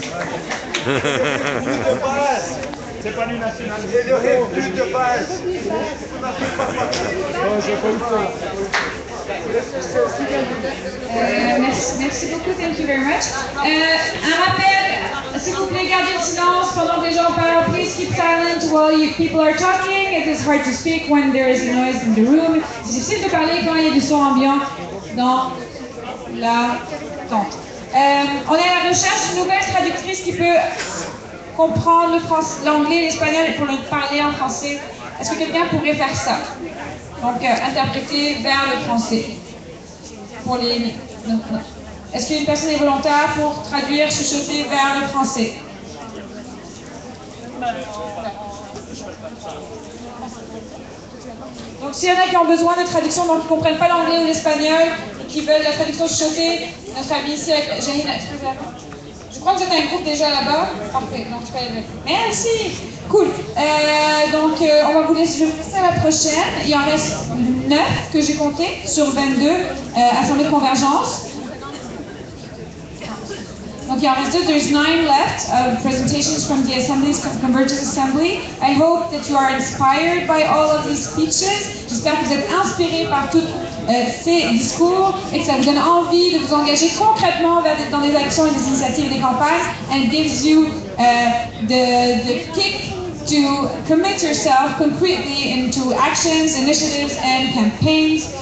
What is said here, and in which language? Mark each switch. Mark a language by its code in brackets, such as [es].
[fr] Hop Suisse! C'est pas Merci beaucoup, [en] thank you very much. [fr] Un rappel, s'il vous plaît, gardez le silence pendant que les gens parlent. [en] Please keep silent while you people are talking. It is hard to speak when there is a noise in the room. [fr] C'est difficile de parler quand il y a du son ambiant dans la tente. On est à la recherche d'une nouvelle traductrice qui peut comprendre le français, l'anglais, l'espagnol et pour le parler en français. Est-ce que quelqu'un pourrait faire ça? Donc, interpréter vers le français. Pour les... Est-ce qu'une personne est volontaire pour traduire, chuchoter vers le français? Donc, s'il y en a qui ont besoin de traduction, donc qui ne comprennent pas l'anglais ou l'espagnol et qui veulent la traduction chuchoter, notre ami ici avec Jaina. Je crois que vous êtes un groupe déjà là-bas. Parfait. Donc, je peux aller. Merci. Cool. Donc, on va vous laisser, je vais passer à la prochaine. Il en reste 9 que j'ai compté sur 22 assemblées de convergence. Donc, il en reste 2. [en] There's 9 left of presentations from the assemblies, Convergence Assembly. I hope that you are inspired by all of these speeches. [fr] J'espère que vous êtes inspirés par toutes ces discours et que ça vous donne envie de vous engager concrètement dans des actions et des initiatives et des campagnes. [en] And gives you the kick to commit yourself concretely into actions, initiatives and campaigns.